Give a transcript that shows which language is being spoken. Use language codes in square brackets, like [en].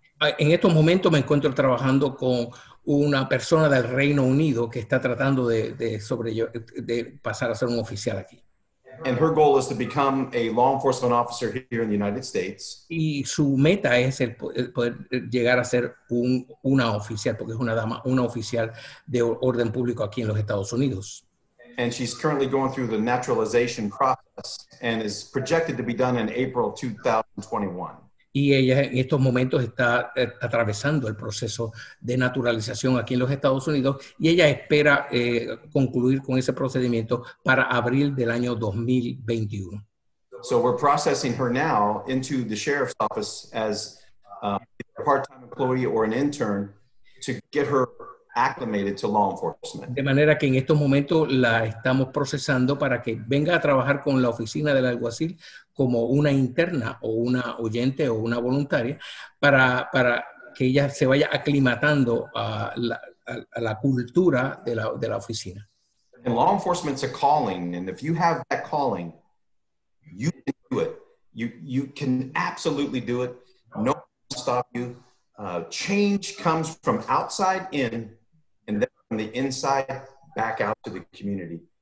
[es] En estos momentos me encuentro trabajando con una persona del Reino Unido que está tratando de pasar a ser un oficial aquí. [en] And her goal is to become a law enforcement officer here in the United States. [es] Y su meta es el poder llegar a ser una oficial, porque es una dama, una oficial de orden público aquí en los Estados Unidos. [en] And she's currently going through the naturalization process and is projected to be done in April 2021. [es] Y ella en estos momentos está atravesando el proceso de naturalización aquí en los Estados Unidos, y ella espera concluir con ese procedimiento para abril del año 2021. [en] So we're processing her now into the sheriff's office as a part-time employee or an intern to get her acclimated to law enforcement. [es] De manera que en estos momentos la estamos procesando para que venga a trabajar con la oficina del alguacil como una interna o una oyente o una voluntaria para que ella se vaya aclimatando a la cultura de la oficina. [en] And law enforcement's a calling, and if you have that calling, you can do it. You can absolutely do it. No one can stop you. Change comes from outside in, and then from the inside back out to the community.